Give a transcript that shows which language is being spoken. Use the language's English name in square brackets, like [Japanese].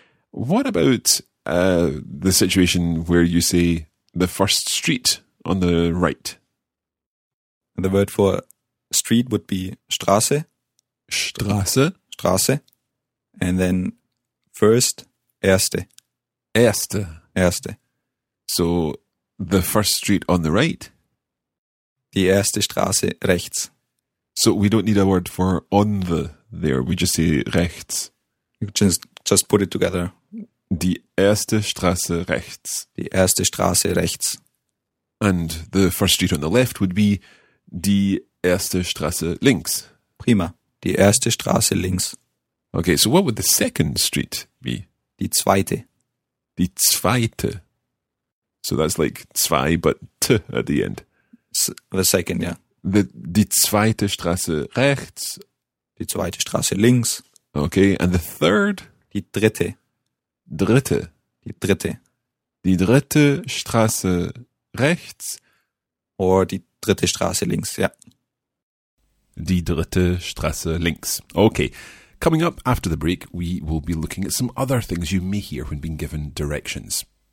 [English] What about the situation where you say the first street on the right? The word for street would be Straße. [German] Straße. [English] Straße. And then first, erste. [German] Erste. Erste. [English] So the first street on the right. [German] Die erste Straße rechts. [English] So we don't need a word for on the there. We just say rechts. You just put it together. [German] Die erste Straße rechts. Die erste Straße rechts. [English] And the first street on the left would be [German] die erste Straße links. Prima. Die erste Straße links. [English] Okay, so what would the second street be? [German] Die zweite. Die zweite. [English] So that's like zwei, but t at the end. The second, yeah. [German] Die zweite Straße rechts. Die zweite Straße links. [English] Okay, and the third? [German] Die dritte. Dritte. Die dritte. Die dritte Straße rechts. Or die dritte Straße links, yeah. Die dritte Straße links. [English] Okay, coming up after the break, we will be looking at some other things you may hear when being given directions.